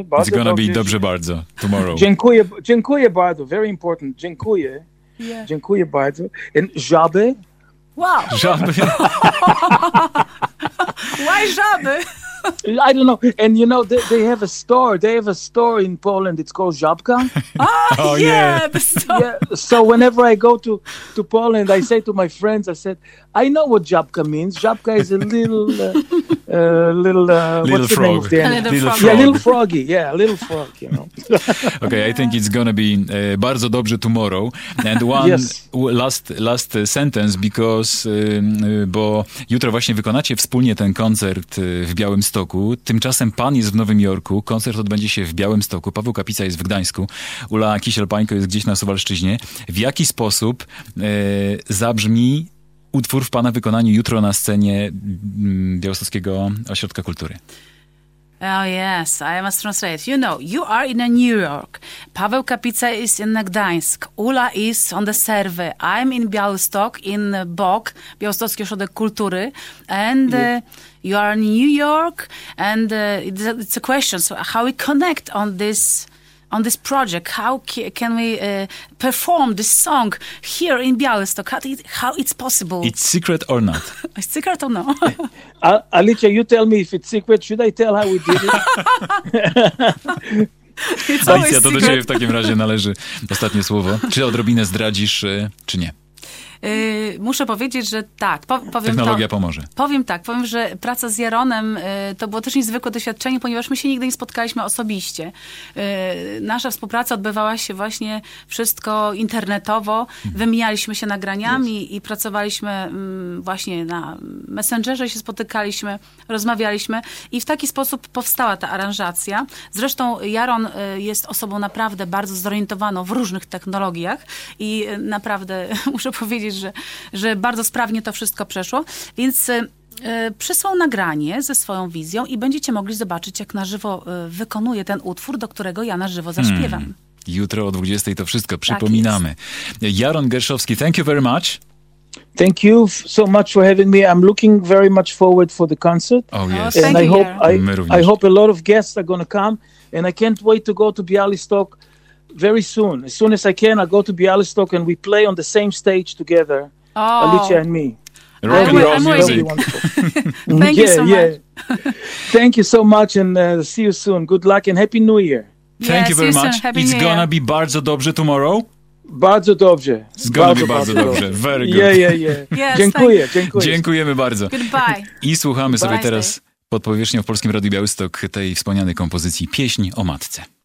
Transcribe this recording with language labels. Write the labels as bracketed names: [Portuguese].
[English] It's going to be [Polish] dobrze bardzo [English] tomorrow. [Polish] Dziękuję bardzo, [English] very important, [Polish] dziękuję. [English] Yeah. [Polish] Dziękuję bardzo. [English] And [Polish] żaby. [English] Wow. [Polish] Żaby. [English] Why [Polish] żaby? [English] I don't know. And you know, they have a store. They have a store in Poland. It's called Żabka. Yeah. So whenever I go to Poland, I say to my friends, I said, I know what Żabka means. Żabka is a little little what's frog. The name of the little frog. Yeah, little froggy. Yeah, a little frog, you know. Okay, I think it's going to be [Polish] bardzo dobrze [English] tomorrow. And one last sentence, because [Polish] bo jutro właśnie wykonacie wspólnie ten koncert w Białym Stoku. Tymczasem pan jest w Nowym Jorku. Koncert odbędzie się w Białym Stoku. Paweł Kapica jest w Gdańsku. Ula Kisiel-Pańko jest gdzieś na Suwalszczyźnie. W jaki sposób zabrzmi utwór w pana wykonaniu jutro na scenie Białostockiego Ośrodka Kultury? [English] Oh yes, I must translate. You know, you are in New York. Paweł Kapica is in Gdańsk. Ula is on the serve. I'm in Białystok, in BOK, Białostocki Ośrodek Kultury. And you are in New York. And it's a question. So how we connect on this project? How can we perform this song here in Białystok? How it's possible? It's secret or not? It's secret or no? Alicia, you tell me if it's secret. Should I tell how we did it? It's Alicia, always secret. [Polish] Do ciebie w takim razie należy ostatnie słowo. Czy odrobinę zdradzisz, czy nie? Muszę powiedzieć, że tak. Powiem technologia to, pomoże. Powiem, że praca z Jaronem to było też niezwykłe doświadczenie, ponieważ my się nigdy nie spotkaliśmy osobiście. Nasza współpraca odbywała się właśnie wszystko internetowo. Wymienialiśmy się nagraniami i pracowaliśmy właśnie na Messengerze, się spotykaliśmy, rozmawialiśmy i w taki sposób powstała ta aranżacja. Zresztą Jaron jest osobą naprawdę bardzo zorientowaną w różnych technologiach i naprawdę muszę powiedzieć, że bardzo sprawnie to wszystko przeszło, więc przysłał nagranie ze swoją wizją i będziecie mogli zobaczyć, jak na żywo wykonuje ten utwór, do którego ja na żywo zaśpiewam. Jutro o 20:00 to wszystko, przypominamy. Tak, [English] Jaron Gerszowski, thank you very much. Thank you so much for having me. I'm looking very much forward for the concert. Oh yes. Thank and I hope I hope a lot of guests are going to come and I can't wait to go to Białystok very soon. As soon as I can, I go to Białystok and we play on the same stage together, Alicia and me. Rock and roll music. Thank you so much. Thank you so much and see you soon. Good luck and Happy New Year. Thank you very much. Happy It's gonna be [Polish] bardzo dobrze [English] tomorrow. [Polish] Bardzo dobrze. [English] It's gonna be [Polish] bardzo dobrze. [English] Very good. Yeah, yeah, yeah. Yes, [Polish] dziękuję, dziękuję. Dziękujemy bardzo. [English] Goodbye. [Polish] I słuchamy sobie teraz pod powierzchnią w Polskim Radiu Białystok tej wspomnianej kompozycji Pieśń o matce.